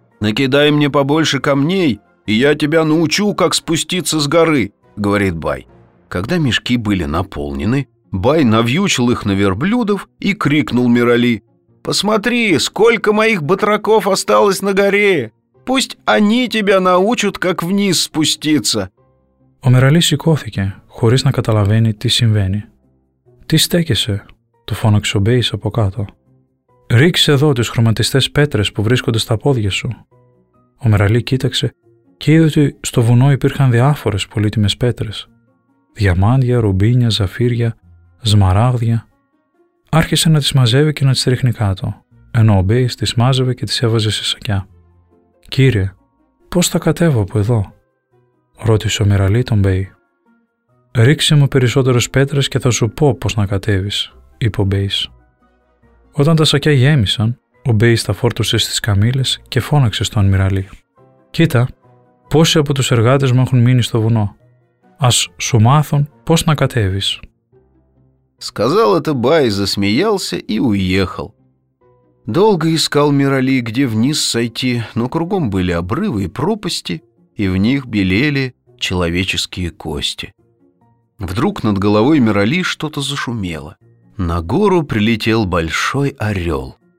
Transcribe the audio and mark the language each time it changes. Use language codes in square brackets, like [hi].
[ru] «Накидай мне побольше камней, и я тебя научу, как спуститься с горы», — говорит бай. Когда мешки были наполнены, бай навьючил их на верблюдов и крикнул Мирали: «Посмотри, сколько моих батраков осталось на горе! Пусть они тебя научат, как вниз спуститься!» [el] Ο Мирали σηκώθηκε, χωρίς να καταλαβαίνει τι συμβαίνει. «Τι στέκεσαι?» — του φώναξε ο μπέις από κάτω. «Ρίξε εδώ τις χρωματιστές πέτρες που βρίσκονται στα πόδια σου». Ο Μυραλή κοίταξε και είδε ότι στο βουνό υπήρχαν διάφορες πολύτιμες πέτρες. Διαμάντια, ρουμπίνια, ζαφύρια, σμαράγδια. Άρχισε να τις μαζεύει και να τις ρίχνει κάτω, ενώ ο μπέις τις μάζευε και τις έβαζε σε σακιά. «Κύριε, πώς θα κατέβω από εδώ?» — ρώτησε ο Μυραλή τον μπέι. «Ρίξε μου περισσότερες πέτρες και θα σου πω πώς να κατέβεις», είπε ο μπέις. Όταν τα σακιά γέμισαν, ο μπέις τα φόρτωσε στις καμήλες και φώναξε στον Μυραλή: «Κοίτα, πόσοι από τους εργάτες μου έχουν μείνει στο βουνό. Ας σου μάθουν Πώς να κατέβεις? [ru] Сказал это Бай, засмеялся и уехал. Долго искал Мирали, где вниз сойти, но кругом были обрывы и пропасти, и в них белели человеческие кости. Вдруг над головой Мирали что-то зашумело. На гору прилетел большой орел.